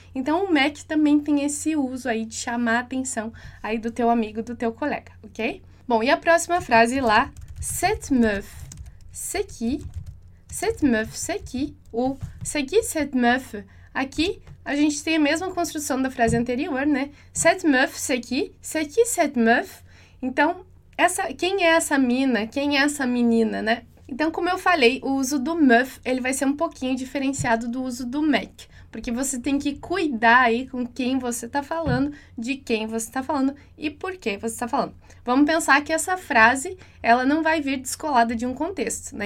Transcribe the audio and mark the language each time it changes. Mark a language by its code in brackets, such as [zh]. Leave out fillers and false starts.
[pt] Então, o mec também tem esse uso aí de chamar a atenção aí do teu amigo, do teu colega, ok? Bom, e a próxima frase lá, [fr] cette meuf, c'est qui? Cette meuf, c'est qui? Ou c'est qui cette meuf? [pt] Aqui a gente tem a mesma construção da frase anterior, né? [fr] Cette meuf, c'est qui cette meuf? [pt] Então, quem é essa mina? Quem é essa menina, né? Então, como eu falei, o uso do meuf, ele vai ser um pouquinho diferenciado do uso do mec, porque você tem que cuidar aí com quem você está falando, de quem você está falando e por que você está falando. Vamos pensar que essa frase, ela não vai vir descolada de um contexto, né?